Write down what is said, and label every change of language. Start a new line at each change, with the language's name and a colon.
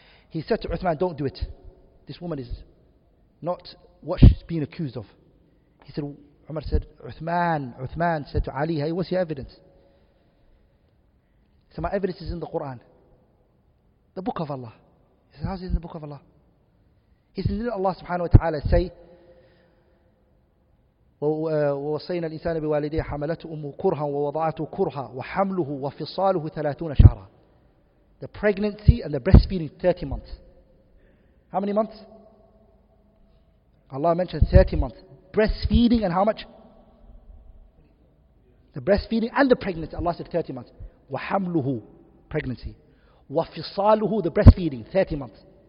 English: He said to Uthman, don't do it. This woman is not what she's being accused of. He said, Umar said, Uthman said to Ali, hey, what's your evidence? He said, my evidence is in the Quran, the book of Allah. He said, how is it in the book of Allah? He said, didn't Allah subhanahu wa ta'ala say,
Arabic: ووصينا الإنسان بوالديه حملته أمه كرها ووضعته كرها وحمله وفصاله 30 شهرا.
English: The pregnancy and the breastfeeding 30 months. How many months? Allah mentioned 30 months. Breastfeeding and how much? The breastfeeding and the pregnancy. Allah said 30 months. وحمله pregnancy. وفصاله the breastfeeding 30 months.